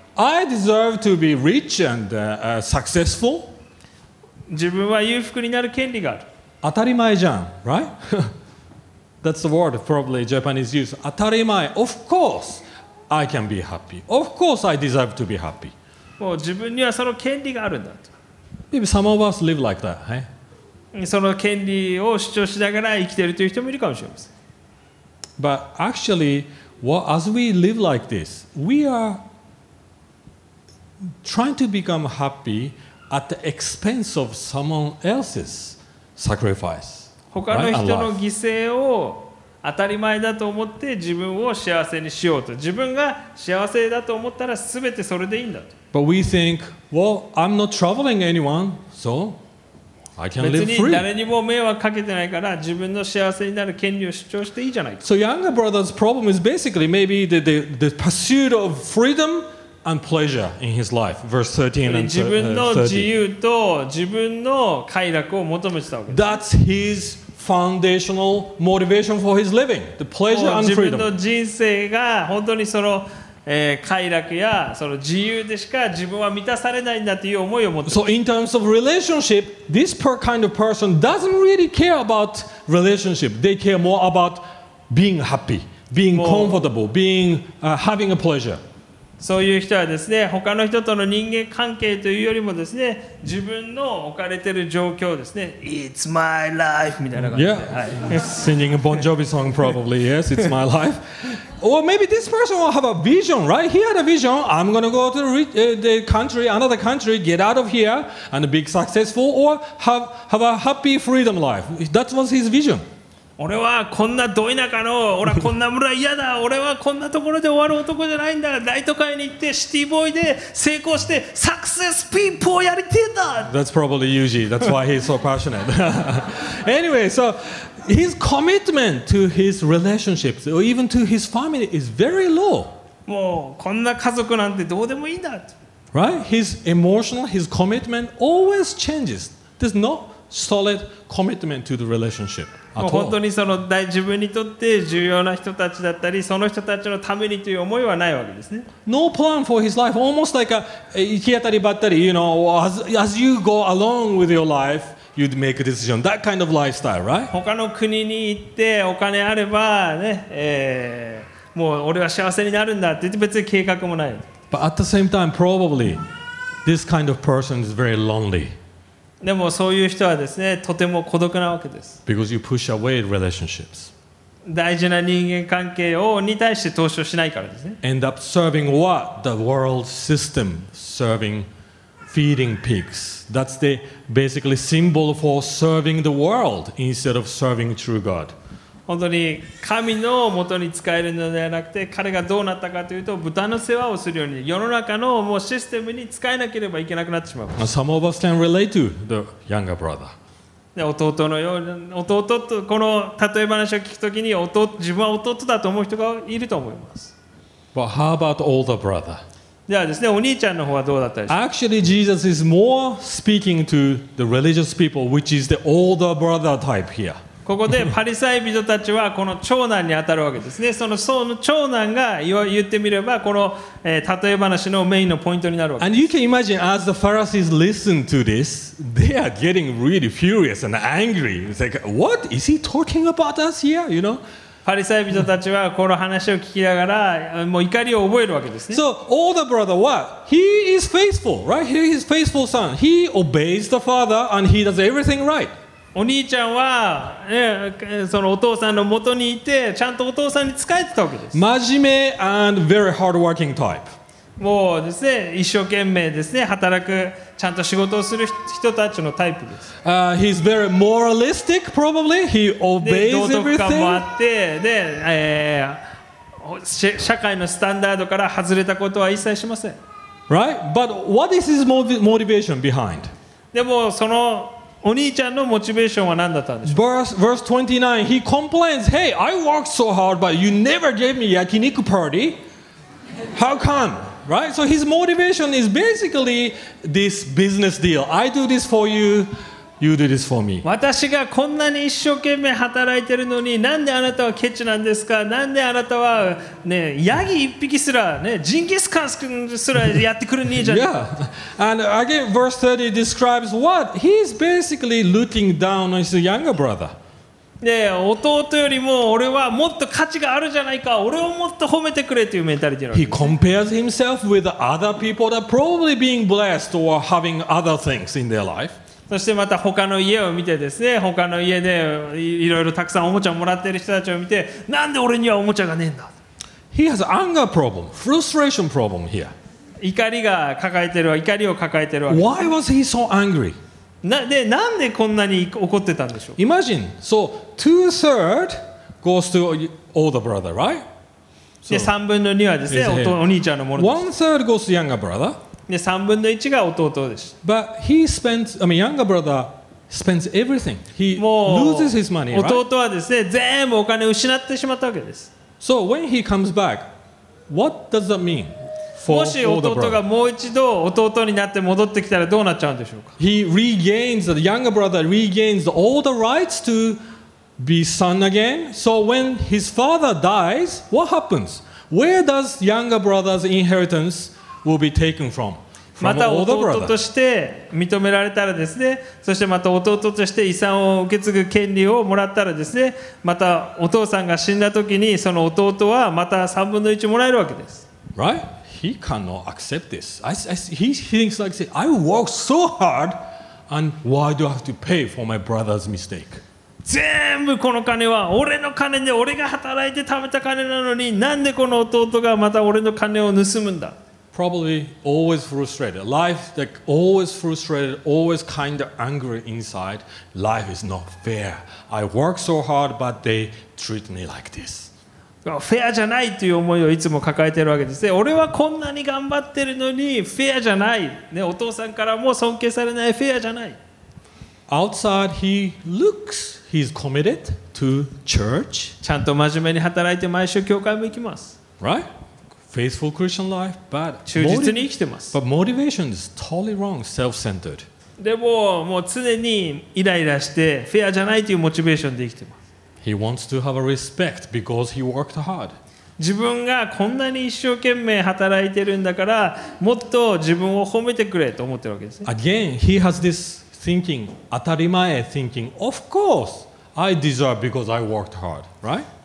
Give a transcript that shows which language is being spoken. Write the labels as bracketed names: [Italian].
[English] I deserve to be rich and successful. [Japanese] 自分は裕福になる権利がある。当たり前じゃん、 [English] right? That's the word probably Japanese use. 当たり前。 Of course, I can be happy. Of course, I deserve to be happy. [Japanese] もう自分にはその権利があるんだと。 [English] Maybe some of us live like that, hey? [Japanese] その権利を主張しながら生きているという人もいるかもしれません。 [English] But actually, as we live like this, we are trying to become happy at the expense of someone else's sacrifice. [Japanese] 他の人の犠牲を当たり前だと思って自分を幸せにしようと。自分が幸せだと思ったら全てそれでいいんだと。 [English] But we think, well, I'm not troubling anyone, so I can live free. [Japanese] 別に誰にも迷惑かけてないから自分の幸せになる権利を主張していいじゃないか。 [English] So younger brother's problem is basically maybe the pursuit of freedom and pleasure in his life. Verse 13 and [Japanese] 自分の自由と自分の快楽を求めてたわけです。 [English] That's his foundational motivation for his living, the pleasure and freedom. [Japanese] 自分の人生が本当にその快楽やその自由でしか自分は満たされないんだという思いを持って。 [English] So in terms of relationship, this kind of person doesn't really care about relationship. They care more about being happy, being comfortable, being having a pleasure. [Japanese] そういう人はですね、他の人との人間関係というよりもですね、自分の置かれている状況ですね。 [English] It's my life [Japanese] みたいな感じで。 [English] Singing a Bon Jovi song probably. Yes, it's my life. Or maybe this person will have a vision, right? He had a vision. I'm going to go to the country, another country, get out of here and be successful or have a happy freedom life. That was his vision. [Japanese] 俺はこんなど田舎の、俺はこんな村嫌だ、俺はこんなところで終わる男じゃないんだ、大都会に行ってシティボーイで成功してサクセスピープをやりてえんだ。 [English] That's probably Yuji. That's why he's so passionate. Anyway, soHis commitment to his relationships or even to his family is very low. [Japanese] もうこんな家族なんてどうでもいいんだ。 [English] Right? His emotional, his commitment always changes. There's no solid commitment to the relationship at all. [Japanese] 本当にその自分にとって重要な人たちだったり、その人たちのためにという思いはないわけですね。 [English] No plan for his life. Almost like a [Japanese] 行き当たりばったり、 [English] you know, as you go along with your life,You'd make a decision. That kind of lifestyle, right? [Japanese] 他の国に行ってお金あればね、もう俺は幸せになるんだって別に計画もない。 [English] But at the same time, probably this kind of person is very lonely. [Japanese] でもそういう人はですね、とても孤独なわけです。 [English] Because you push away relationships. [Japanese] 大事な人間関係をに対して投資をしないからですね。 [English] End up serving what? The world system serving. Feeding pigs. That's the basically symbol for serving the world instead of serving true God. [Japanese] 本当に神の元に使えるのではなくて、彼がどうなったかというと、豚の世話をするように世の中のもうシステムに使えなければいけなくなってしまう。 [English] Some of us can relate to the younger brother. [Japanese] 弟のように弟とこの例え話を聞くときに弟自分は弟だと思う人がいると思います。 [English] But how about older brother? [Japanese] ではですね、お兄ちゃんの方はどうだったでしょう。 [English] Actually, Jesus is more speaking to the religious people, which is the older brother type here. [Japanese] ここでパリサイ人たちはこの長男に当たるわけですね。その長男が言ってみればこの、例え話のメインのポイントになるわけです。 [English] And you can imagine as the Pharisees listen to this, they are getting really furious and angry. It's like, what is he talking about us here? You know? [Japanese] パリサイ人たちはこの話を聞きながらもう怒りを覚えるわけですね。 [English] So all the brother what? He is faithful, right? He is faithful son. He obeys the father and he does everything right. [Japanese] お兄ちゃんは、そのお父さんの元にいてちゃんとお父さんに仕えてたわけです。 [English] 真面目 and very hardworking type. [Japanese] もうですね、一生懸命ですね、働くちゃんと仕事をする人たちのタイプです。 [English] He's very moralistic, probably. He obeys everything. [Japanese] 道徳感もあって、で、社会のスタンダードから外れたことは一切しません。 [English] Right? But what is his motivation behind? [Japanese] でもそのお兄ちゃんのモチベーションは何だったんでしょう。 [English] Verse 29, he complains, "Hey, I worked so hard, but you never gave me yakiniku party. How come?" Right? So his motivation is basically this business deal. I do this for you, you do this for me. [Japanese] 私がこんなに一生懸命働いてるのに、なんであなたはケチなんですか。なんであなたはね、ヤギ一匹すらね、ジンギスカンすらやってくるんじゃない。Yeah. [English] And again, verse 30 describes what he is basically looking down on his younger brother. [Japanese] で弟よりも俺はもっと価値があるじゃないか、俺をもっと褒めてくれというメンタリティな [English] の。He compares himself with other people that are probably being blessed or having other things in their life. [Japanese] そしてまた他の家を見てですね、他の家でいろいろたくさんおもちゃをもらっている人たちを見て、なんで俺にはおもちゃがねえんだ。 [English] He has anger problem, frustration problem here. [Japanese] 怒りが抱えてる、怒りを抱えてるわ [English] け。Why was he so angry? [Japanese] なんでこんなに怒ってたんでしょう。 [English] Imagine, so two third goes to older brother, right? [Japanese] So, で三分の二はですね、お兄ちゃんのものです [English] 。 One third goes to younger brother. [Japanese] で三分の一が弟です。 [English] But he spends, I mean, younger brother spends everything. He loses his money, right? [Japanese] 弟はですね、全部お金失ってしまったわけです。 [English] So when he comes back, what does that mean? [Japanese] もし弟がもう一度弟になって戻ってきたらどうなっちゃうんでしょうか。 [English] He regains, the younger brother regains all the rights to be son again. So when his father dies, what happens? Where does younger brother's inheritance will be taken from? [Japanese] また弟として認められたらですね、そしてまた弟として遺産を受け継ぐ権利をもらったらですね、またお父さんが死んだ時にその弟はまた3分の1もらえるわけです。 [English] Right? He cannot accept this. He thinks like this. I worked so hard, and why do I have to pay for my brother's mistake? [Japanese] 全部この金は俺の金で、俺が働いて貯めた金なのに、なんでこの弟がまた俺の金を盗むんだ。 [English] Probably always frustrated. Life like always frustrated, always kind of angry inside. Life is not fair. I worked so hard, but they treat me like this. [Japanese] フェアじゃないという思いをいつも抱えているわけですね。俺はこんなに頑張ってるのにフェアじゃない、ね、お父さんからも尊敬されないフェアじゃない。 [English] Outside he looks he's committed to church. [Japanese] ちゃんと真面目に働いて毎週教会も行きます。 [English] Right? Faithful Christian life, but [Japanese] 忠実に生きてます。 [English] But motivation is totally wrong, self-centered. [Japanese] でももう常にイライラしてフェアじゃないというモチベーションで生きてます。 [English] He wants to have a respect because he worked hard. [Japanese] 自分がこんなに一生懸命働いてるんだから、もっと自分を褒めてくれと思ってるわけですね。 [English] Again, he has this thinking, 当たり前 thinking, of course, I deserve because I worked hard, right?